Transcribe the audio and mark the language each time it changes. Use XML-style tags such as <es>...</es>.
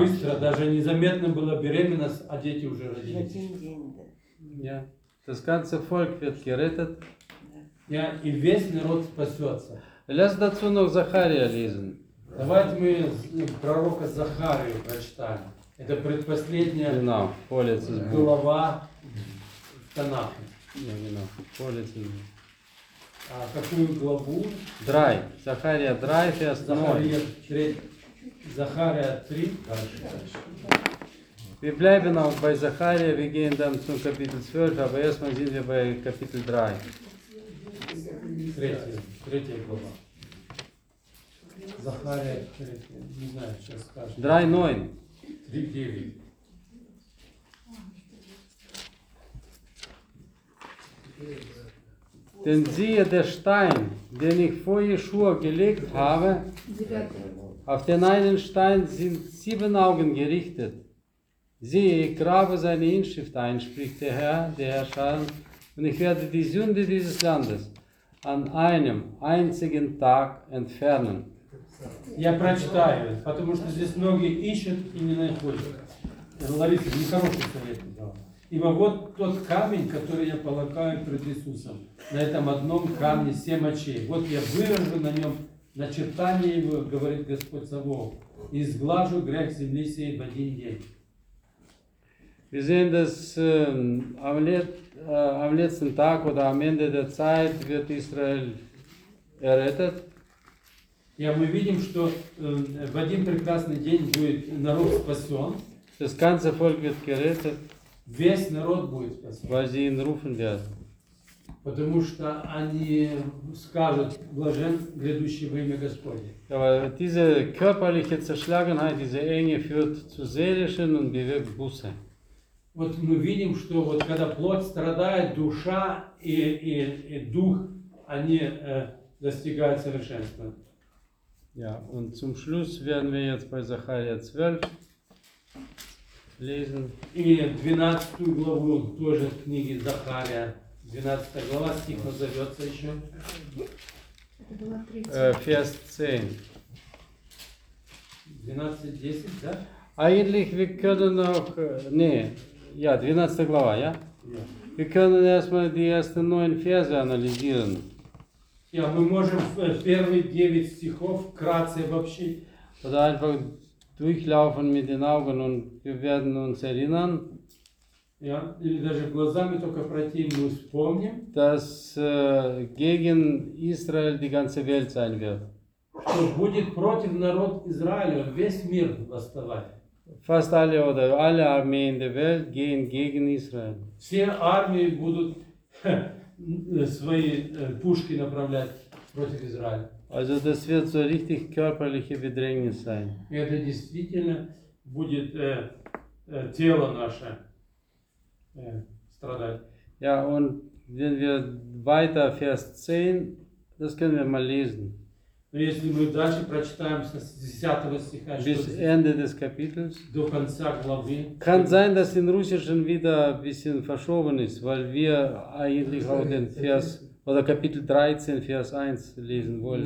<ru>Быстро, даже незаметно была беременность, а дети уже родились. За один день, да.</ru> <de>Das ganze Volk wird gerettet.</de> <ru>Ja, и весь народ спасется.</ru> <de>Lass dazu noch Zacharia lesen.</de> <ru>Давайте мы пророка Захарию прочитаем. Это предпоследняя глава в Танахе. Не, не на полице. А какую главу? Драй. Захария Драй, ты остановишься. Захария 3. Дальше.</ru> <de>Wir bleiben auch bei Zacharia, wir gehen dann zum Kapitel 12, aber erstmal sind wir bei Kapitel 3.</de> <ru>Третья глава. Захария, не знаю, сейчас скажу. 3.9. 3.9.</ru> <de>Denn siehe, der Stein, den ich vor Jeschua gelegt habe, auf den einen Stein sind 7 Augen gerichtet. Siehe, ich grabe seine Inschrift ein, spricht der Herr, der Herrscher, und ich werde die Sünde dieses Landes an einem einzigen Tag entfernen.</de> <ru>Я прочитаю, потому что здесь многие ищут и не находят. Лариса, нехороший совет. Ибо вот тот камень, который я полагаю пред Иисусом, на этом одном камне 7 очей. Вот я выражу на нем начертание его, говорит Господь Савов, и сглажу грех земли сей в один день.</ru> <de>Wir sehen, dass am letzten Tag oder am Ende der Zeit wird Israel errettet. Ja, wir</de> <ru>видим, что в один прекрасный день будет народ спасен.</ru> <de>Das ganze Volk wird gerettet.</de> <ru>Весь народ будет спасен.</ru> <de>Weil sie ihn rufen werden.</de> <ru>Потому что они скажут, блажен грядущий во имя Господне.</ru> <de>Ja, weil diese körperliche Zerschlagenheit, diese Enge führt zu seelischen und bewirkt Buße.</de> <ru>Вот мы видим, что вот когда плоть страдает, душа и дух, они достигают совершенства.</ru> <de>Ja, und zum Schluss werden wir jetzt bei Zacharia 12 lesen.</de> <ru>И 12 главу тоже в книге Захария. 12 глава, стих назовется еще.</ru> <de>Vers 10.</de> <ru>12.10, да?</ru> <de>Eigentlich, wir können auch... Nee. Ja, 12. глава, ja? Ja. Wir können erstmal die ersten 9 Verse analysieren. Ja, wir können die ersten 9</de> <ru>стихов кратце вообще.</ru> <de>Oder einfach durchlaufen mit den Augen und wir werden uns erinnern.</de> <ru>Ja, oder даже глазами только пройти, мы вспомним.</ru> <de>Dass gegen Israel die ganze Welt sein wird.</de> <ru>Что будет против народ Израиля, весь мир восставать.</ru> <de>Fast alle oder alle Armeen der Welt gehen gegen Israel.</de> <ru>Все армии будут свои пушки направлять против Израиля.</ru> <de>Also das wird so richtig körperliche Bedrängnis sein.</de> <ru>Это действительно будет тело наше страдать.</ru> <de>Ja, und wenn wir weiter Vers 10, das können wir mal lesen.</de> <ru>Но если мы дальше прочитаем с 10 стиха,</ru> <de>bis Ende des Kapitels,</de> <ru>до конца главы,</ru> <de>kann sein, dass in Russischen wieder ein bisschen verschoben ist, weil wir eigentlich auch den Vers, oder Kapitel 13, Vers 1 lesen wollen.</de>